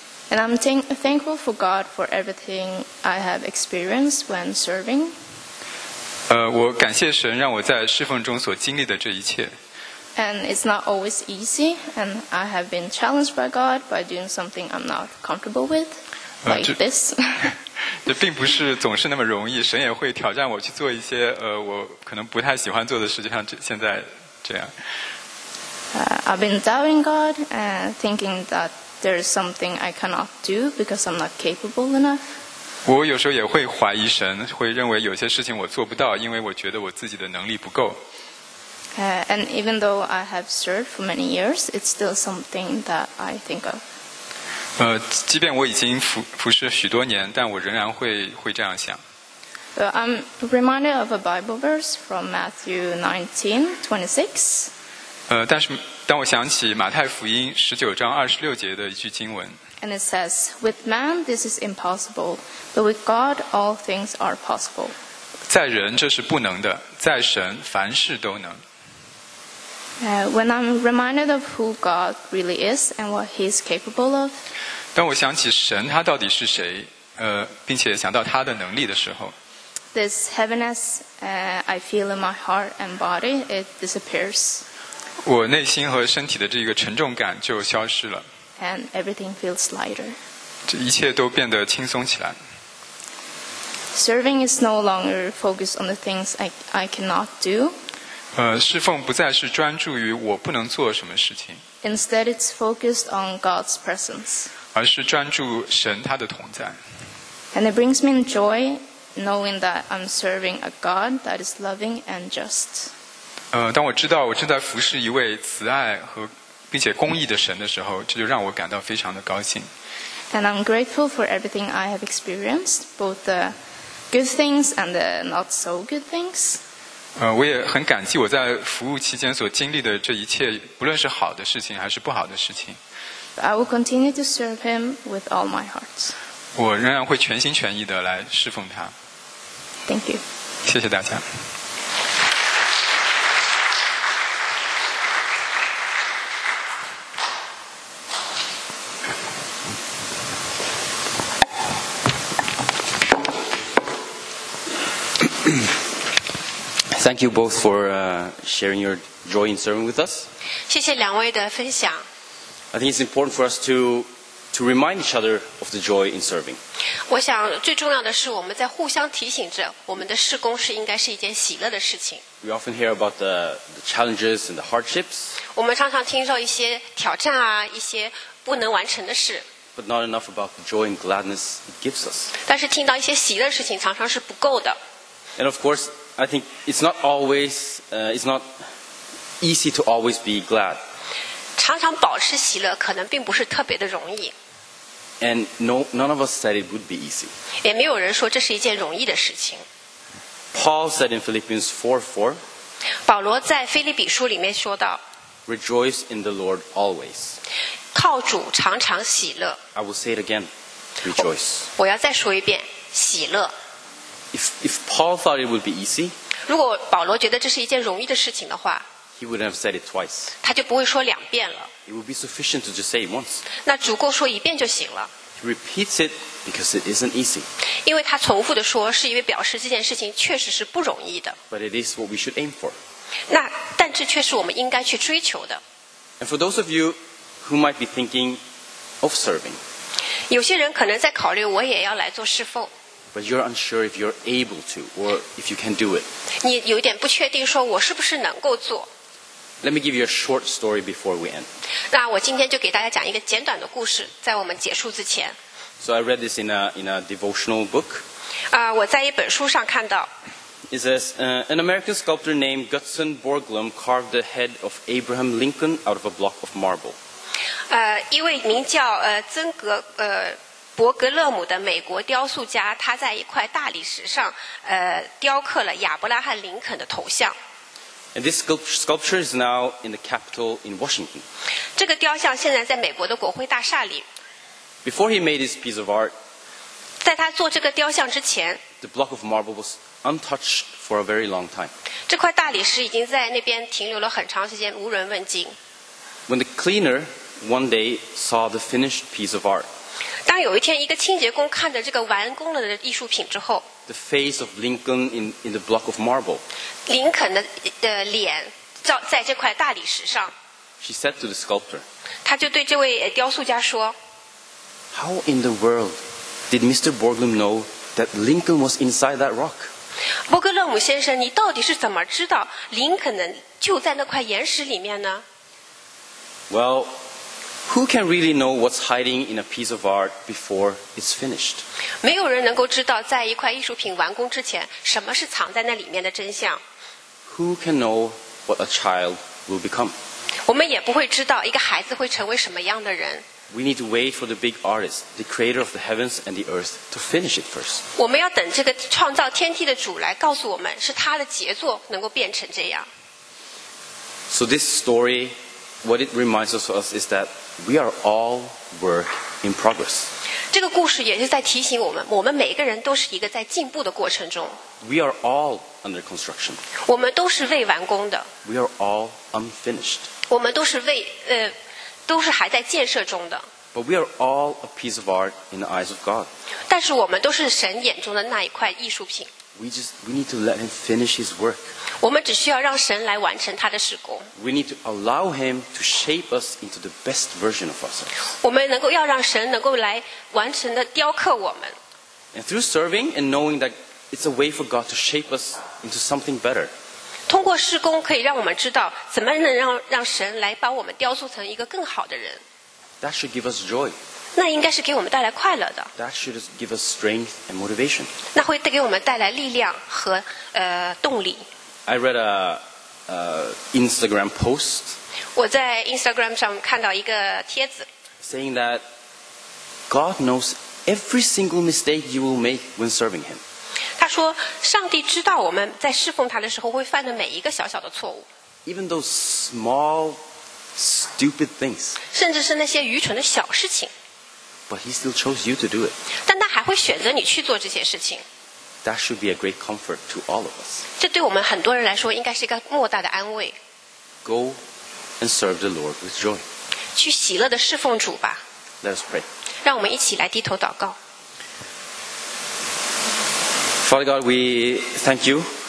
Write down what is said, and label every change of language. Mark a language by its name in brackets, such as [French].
[English] And I'm thankful for God for everything I have experienced when serving. [Chinese] 我感谢神让我在侍奉中所经历的这一切。 [English] And it's not always easy, and I have been challenged by God by doing something I'm not comfortable with, like this. [Chinese] 这并不是总是那么容易，神也会挑战我去做一些我可能不太喜欢做的事，就像现在这样。 [English] I've been doubting God, thinking that there's something I cannot do because I'm not capable enough. [Chinese] 我有时候也会怀疑神，会认为有些事情我做不到，因为我觉得我自己的能力不够。 [English] And even though I have served for many years, it's still something that I think of. [Chinese] 即便我已经服侍许多年，但我仍然会这样想。 [English] I'm reminded of a Bible verse from Matthew 19:26. [Chinese] 但是当我想起马太福音十九章二十六节的一句经文。 [English] And it says, "With man this is impossible, but with God all things are possible." [Chinese] 在人这是不能的，在神凡事都能。 [English] When I'm reminded of who God really is and what He's capable of, [Chinese] 当我想起神他到底是谁，并且想到他的能力的时候， [English] this heaviness I feel in my heart and body, it disappears. [Chinese] 我内心和身体的这个沉重感就消失了。 [English] and everything feels lighter. [Chinese] 这一切都变得轻松起来。 [English] Serving is no longer focused on the things I cannot do. [Chinese] 侍奉不再是专注于我不能做什么事情。 [English] Instead, it's focused on God's presence. [Chinese] 而是专注神他的同在。 [English] And it brings me joy knowing that I'm serving a God that is loving and just. [Chinese] 当我知道我正在服侍一位慈爱和并且公义的神的时候，这就让我感到非常的高兴。 [English] And I'm grateful for everything I have experienced, both the good things and the not so good things. [Chinese] 我也很感激我在服务期间所经历的这一切，不论是好的事情还是不好的事情。 [English] But I will continue to serve him with all my heart. [Chinese] 我仍然会全心全意地来侍奉他。 [English] Thank you. [Chinese] 谢谢大家。 [English] Thank you both for sharing your joy in serving with us. [Chinese] 谢谢两位的分享。 [English] I think it's important for us to remind each other of the joy in serving. [Chinese] 我想最重要的是我们在互相提醒着我们的事工是应该是一件喜乐的事情。 [English] We often hear about the challenges and the hardships. [Chinese] 我们常常听到一些挑战啊，一些不能完成的事。 [English] But not enough about the joy and gladness it gives us. [Chinese] 但是听到一些喜乐的事情常常是不够的。 [English] And of course,I think it's not always, it's not easy to always be glad. [Chinese] 常常保持喜乐可能并不是特别的容易。 [English] And no, none of us said it would be easy. [Chinese] 也没有人说这是一件容易的事情。 [English] Paul said in Philippians 4:4, [Chinese] 保罗在腓立比书里面说到 [English] Rejoice in the Lord always. [Chinese] 靠主常常喜乐。 [English] I will say it again, rejoice. [Chinese] 我要再说一遍，喜乐。 [English] If Paul thought it would be easy, [Chinese] 如果保罗觉得这是一件容易的事情的话 [English] he wouldn't have said it twice. [Chinese] 他就不会说两遍了。 [English] It would be sufficient to just say it once. [Chinese] 那足够说一遍就行了。 [English] He repeats it because it isn't easy. [Chinese] 因为他重复的说是因为表示这件事情确实是不容易的。 [English] But it is what we should aim for. [Chinese] 那但这却是我们应该去追求的。 [English] And for those of you who might be thinking of serving, [Chinese] 有些人可能在考虑我也要来做侍奉。 [English] But you're unsure if you're able to or if you can do it. [Chinese] 你有点不确定说我是不是能够做。 [English] Let me give you a short story before we end. [Chinese] 那我今天就给大家讲一个简短的故事在我们结束之前。 [English] So I read this in a devotional book. [Chinese] 我在一本书上看到。 [English] It says, an American sculptor named Gutzon Borglum carved the head of Abraham Lincoln out of a block of marble. [Chinese] 一位名叫曾格伯格勒姆的美国雕塑家，他在一块大理石上，雕刻了亚伯拉罕·林肯的头像。 [English] And this sculpture is now in the Capitol in Washington. [Chinese] 这个雕像现在在美国的国会大厦里。 [English] Before he made this piece of art, [Chinese] 在他做这个雕像之前 [English] ，the block of marble was untouched for a very long time. [Chinese] 这块大理石已经在那边停留了很长时间，无人问津。 [English] When the cleaner one day saw the finished piece of art. [Chinese] 当有一天一个清洁工看着这个完工了的艺术品之后 [English] The face of Lincoln in the block of marble [Chinese] 林肯 的脸在这块大理石上 [English] She said to the sculptor [Chinese] 他就对这位雕塑家说 [English] How in the world did Mr. Borglum know that Lincoln was inside that rock? [Chinese] 伯格勒姆先生你到底是怎么知道林肯的就在那块岩石里面呢 [English] Well,Who can really know what's hiding in a piece of art before it's finished? [Chinese] 没有人能够知道在一块艺术品完工之前什么是藏在那里面的真相。 [English] Who can know what a child will become? [Chinese] 我们也不会知道一个孩子会成为什么样的人。 [English] We need to wait for the big artist, the creator of the heavens and the earth, to finish it first. [Chinese] 我们要等这个创造天地的主来告诉我们是他的杰作能够变成这样。 [English] So this story, what it reminds us of us is that We are all work in progress. [Chinese] 这个故事也是在提醒我们，我们每个人都是一个在进步的过程中。 [English] We are all under construction. [Chinese] 我们都是未完工的。 [English] We are all unfinished. [Chinese] 我们都是未都是还在建设中的。 [English] But we are all a piece of art in the eyes of God. [Chinese] 但是我们都是神眼中的那一块艺术品。 [English] We need to let him finish his work. [Chinese] 我们只需要让神来完成他的事工。 [English] We need to allow him to shape us into the best version of ourselves. [Chinese] 我们能够要让神能够来完成的雕刻我们。 [English] And through serving and knowing that it's a way for God to shape us into something better. [Chinese] 通过事工可以让我们知道怎么能让神来把我们雕塑成一个更好的人。 [English] That should give us joy. [Chinese] 那应该是给我们带来快乐的。 [English] That should give us strength and motivation. [Chinese] 那会给我们带来力量和动力。 [English] I read a Instagram post. [Chinese] 我在 Instagram 上看到一个帖子。 [English] Saying that God knows every single mistake you will make when serving Him. [Chinese] 他说，上帝知道我们在侍奉他的时候会犯的每一个小小的错误。 [English] Even those small, stupid things. [Chinese] 甚至是那些愚蠢的小事情。 [English] But He still chose you to do it. [Chinese] 但他还会选择你去做这些事情。 [English] That should be a great comfort to all of us. [Chinese] 这对我们很多人来说应该是一个莫大的安慰。 [English] Go and serve the Lord with joy. [Chinese] 去喜乐地侍奉主吧。 [English] Let us pray. [Chinese] 让我们一起来低头祷告。 [English] Father God, we thank you.